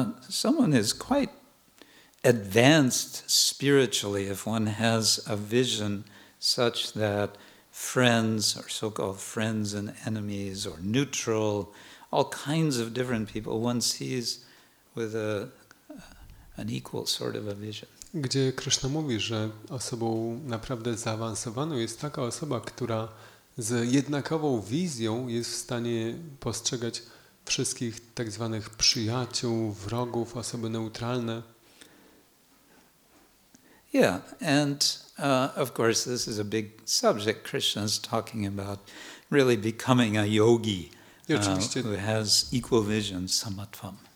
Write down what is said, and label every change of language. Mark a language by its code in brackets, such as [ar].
[en] Someone is quite advanced spiritually if one has a vision such that friends or so-called friends and enemies or neutral, all kinds of different people one sees with an equal sort of a vision. [pl] Gdzie Krishna mówi, że osobą naprawdę zaawansowaną jest taka osoba, która z jednakową wizją jest w stanie postrzegać wszystkich tak zwanych przyjaciół, wrogów, osoby neutralne. [en] Yeah, and of course this is a big subject. Krishna's talking about really becoming a yogi who has equal vision, samatvam.